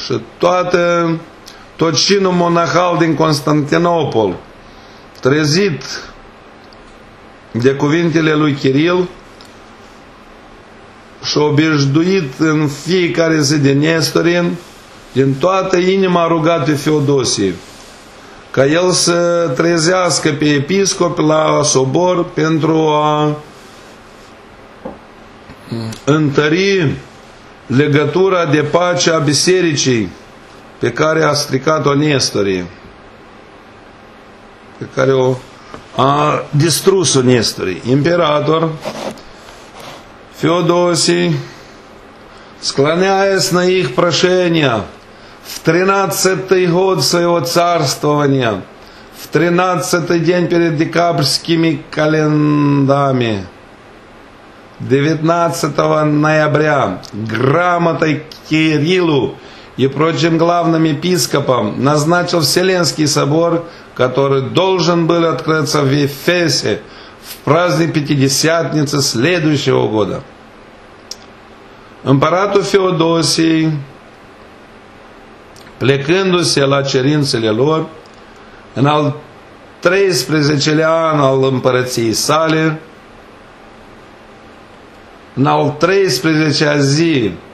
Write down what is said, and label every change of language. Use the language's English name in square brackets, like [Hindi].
[Romanian] Și toată, tot cinul monahal din Constantinopol, trezit de cuvintele lui Kirill și obișnuit în fiecare zi de Nestorin, din toată inima a rugat pe Feodosie ca el să trezească pe episcop la sobor pentru a întări legătura de pace a bisericii pe care a stricat-o Nestorie, pe care o a distrus-o Nestorie. [Russian] Imperator Феодосий, склоняясь на их прошение, в 13-й год своего царствования, в 13-й день перед декабрьскими календами, 19 ноября, грамотой Кириллу и прочим главным епископам назначил Вселенский собор, который должен был открыться в Ефесе в праздник Пятидесятницы следующего года. [Romanian] Împăratul Феодосий, plecându-se la cerințele lor, în al 13-lea an al împărăției sale, în al 13-a zi